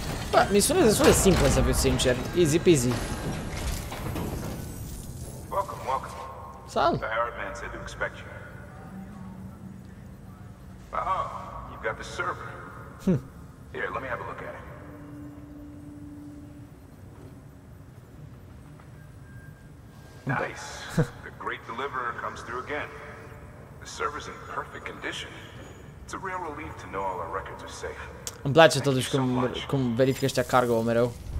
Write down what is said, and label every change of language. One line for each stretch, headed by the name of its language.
Romanian: Bă, mi sună destul de simplu să fiu sincer.
English: Easy peasy. Welcome, welcome.
Romanian: Sal.
English: The Herald man said to expect you. Oh, you've got the server. Here, let me have a look at it. Nice. The great deliverer comes through again. The server's in perfect condition. It's a real relief to know all our records are safe.
Romanian: Îmi place totuși cum verifică ăștia cargo-ul mereu.